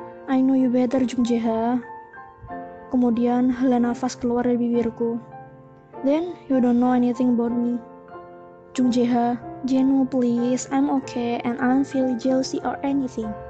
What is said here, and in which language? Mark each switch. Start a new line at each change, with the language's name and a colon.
English: I know you better, Jung Jeha."
Indonesian: Kemudian, hela nafas keluar dari bibirku.
English: "Then, you don't know anything about me." "Jung Jeha, Jeno, please, I'm okay and I don't feel jealousy or anything."